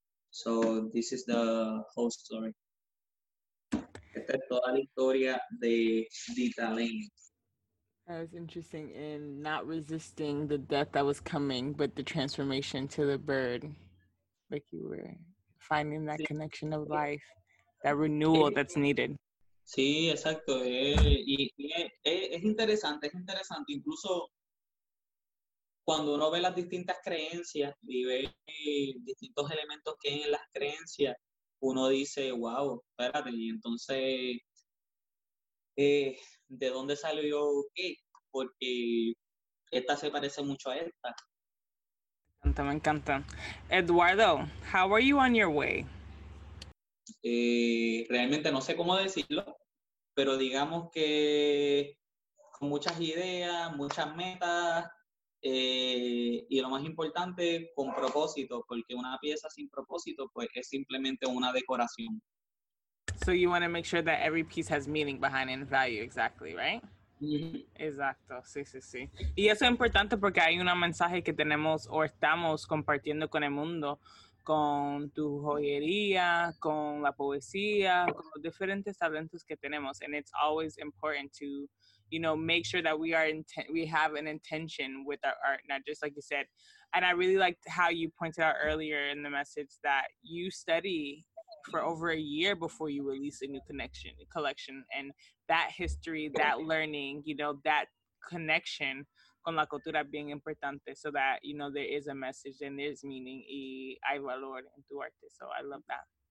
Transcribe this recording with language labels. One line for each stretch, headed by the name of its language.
English: So this is the whole story.
Spanish: Esta es toda la historia de Ditalin.
English: That was interesting in not resisting the death that was coming, but the transformation to the bird. Like you were finding that connection of life, that renewal that's needed.
Spanish: Sí, exacto. Es interesante. Incluso cuando uno ve las distintas creencias y ve distintos elementos que hay en las creencias, uno dice, wow, espérate, y entonces... ¿de dónde salió qué? Porque esta se parece mucho a esta. Me encanta.
English: Eduardo, how are you on your way?
Spanish: realmente no sé cómo decirlo, pero digamos que con muchas ideas, muchas metas, y lo más importante, con propósito, porque una pieza sin propósito, pues es simplemente una decoración.
English: So you want to make sure that every piece has meaning behind it and value, exactly, right?
Spanish: Exacto, sí, sí, sí. Y eso es importante porque hay un mensaje que tenemos o estamos compartiendo con el mundo, con tu joyería, con la poesía, con los diferentes talentos que tenemos.
English: And it's always important to, you know, make sure that we have an intention with our art, not just like you said. And I really liked how you pointed out earlier in the message that you study for over a year before you release a new collection, and that history, that learning, you know, that connection
Spanish: con la cultura
English: being importante, so that, you know, there is a message and there's meaning
Spanish: y hay valor en tu arte.
English: So I love that.